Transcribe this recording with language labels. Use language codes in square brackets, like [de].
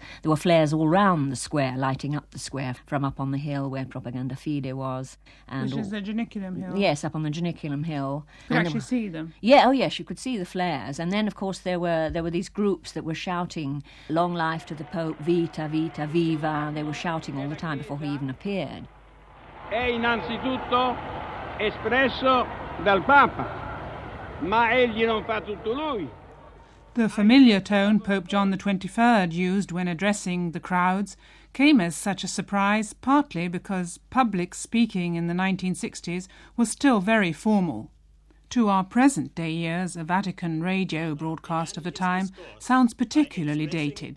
[en] There were flares all round the square, lighting up the square from up on the hill where Propaganda Fide was. And which is the Janiculum Hill. Yes, up on the Janiculum Hill. Could you actually see them? Yeah, oh yes, you could see the flares. And then, of course, there were these groups that were shouting, long life to the Pope, [it] vita, vita, viva. [en] They were shouting all the time before he even appeared. [it] È innanzitutto espresso dal Papa, ma egli non fa tutto lui. [en] The familiar tone Pope John XXIII used when addressing the crowds came as such a surprise, partly because public speaking in the 1960s was still very formal. To our present-day ears, a Vatican radio broadcast of the time sounds particularly dated.